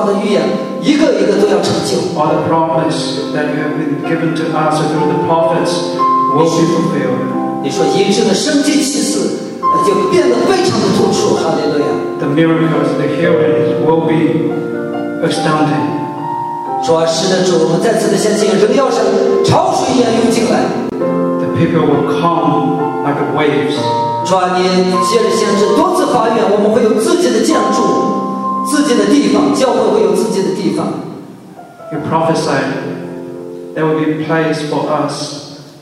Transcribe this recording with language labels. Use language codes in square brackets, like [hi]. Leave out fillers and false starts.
[zh] 主啊，过去你借着先知向我们教会所发的预言，一个一个都要成就。 [en] All the promise that you have been given to us through the prophets will be fulfilled. [zh] 你说医治的生机气势，就变得非常的突出。哈利路亚。 [en] The miracles, the healings will be astounding. [zh] 主啊，使得主我们再次的相信，人要像潮水一样涌进来。 [en] The people will come like waves. [zh] 主啊，你借着先知多次发愿，我们会有自己的建筑，自己的地方，教会会有自己的地方。 [en] You prophesied there will be a place for us.